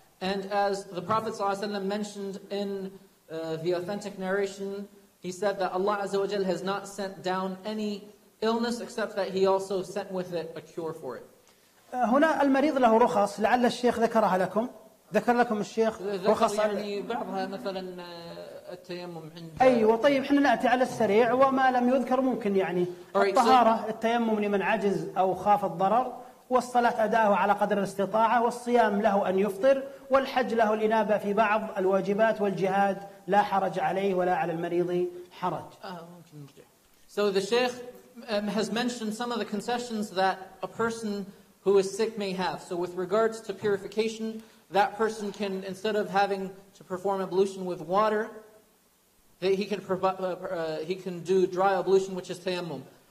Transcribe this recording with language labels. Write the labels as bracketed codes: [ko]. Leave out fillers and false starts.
[en] And as the Prophet [ar] صلى الله عليه وسلم [en] mentioned in the authentic narration, he said that Allah [ar] عز وجل [en] has not sent down any illness except that He also sent with it a cure for it. [ar] هنا المريض له رخص لعل الشيخ ذكرها لكم. ذكر لكم الشيخ رخص يعني بعضها مثلا التيمم عند أيوة طيب حنا نأتي على السريع وما لم يذكر ممكن يعني الطهارة التيمم لمن عجز أو خاف الضرر والصلاة أداه على قدر الاستطاعة والصيام له أن يفطر والحج له الإنابة في بعض الواجبات والجهاد لا حرج عليه ولا على المريض حرج. [en] So the Sheikh has mentioned some of the concessions that a person who is sick may have. So with regards to purification, that person can, instead of having to perform ablution with water, that he can do dry ablution, which is tayammum.